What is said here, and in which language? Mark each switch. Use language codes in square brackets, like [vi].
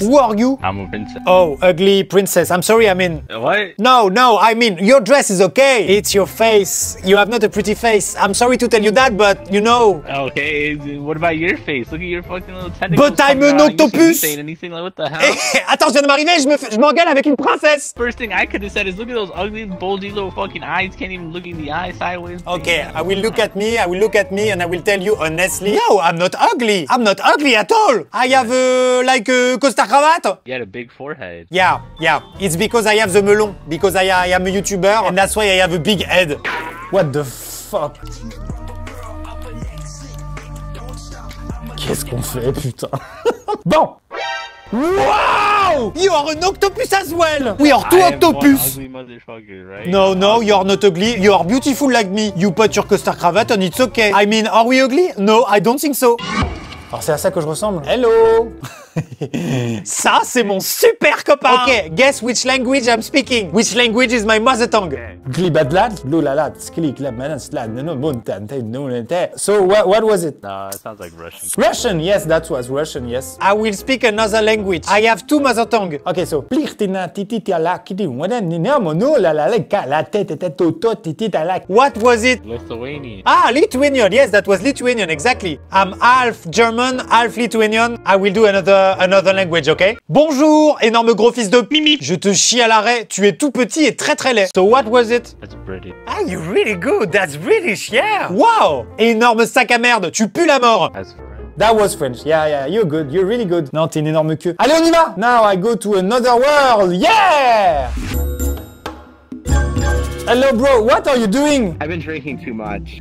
[en] Who are you? I'm a princess. Oh, ugly princess. I'm sorry, I mean... What? No, I mean, your dress is okay. It's your face. You have not a pretty face. I'm sorry to tell you that, but you know... Okay, what about your face? Look at your fucking little tentacles. But I'm an octopus! You shouldn't be saying anything, like, what the hell? [fr] Attends, je viens de m'arriver, je m'engueule avec une princesse! [en] First thing I could have said is look at those ugly, bulgy little fucking eyes. Can't even look in the eye sideways. Okay, I will look at me, and I will tell you honestly... No, I'm not ugly. I'm not ugly at all. I have, like, [fr] costard cravate. [en] You had a big forehead. Yeah. It's because I have the melon. Because I am a YouTuber, and that's why I have a big head. What the fuck? [fr] Qu'est-ce qu'on fait, putain? Bon! Wow! [en] You are an octopus as well! We are two octopus! Right? No, you are not ugly. You are beautiful like me. You put your custard cravat and it's okay. I mean, are we ugly? No, I don't think so. [fr] Alors, c'est à ça que je ressemble. [en] Hello! [fr] Ça, c'est mon super copain! [en] Ok, guess which language I'm speaking. Which language is my mother tongue? Glibadlad? Lulalat, sklik, labmanaslad, nanomuntan, te, nonente. So, what was it? It sounds like Russian. Russian, yes, that was Russian, yes. I will speak another language. I have two mother tongues. Ok, so. Plirtina, tititiala, kiti, wadan, ninamono, lalaleka, la tete, tete, tote, tititala. What was it? Lithuanian. Ah, Lithuanian, yes, that was Lithuanian, exactly. I'm half German, half Lithuanian. I will do another language, okay? [fr] Bonjour, énorme gros fils de Mimi. Je te chie à l'arrêt. Tu es tout petit et très très laid. [en] So what was it? That's British. Ah, you're really good. That's British, yeah. Wow. [fr] Énorme sac à merde. Tu pues la mort. [en] That's French. That was French. Yeah. You're good. You're really good. [fr] Non, t'es une énorme queue. Allez, on y va. [en] Now I go to another world. Yeah. Hello, bro. What are you doing? I've been drinking too much.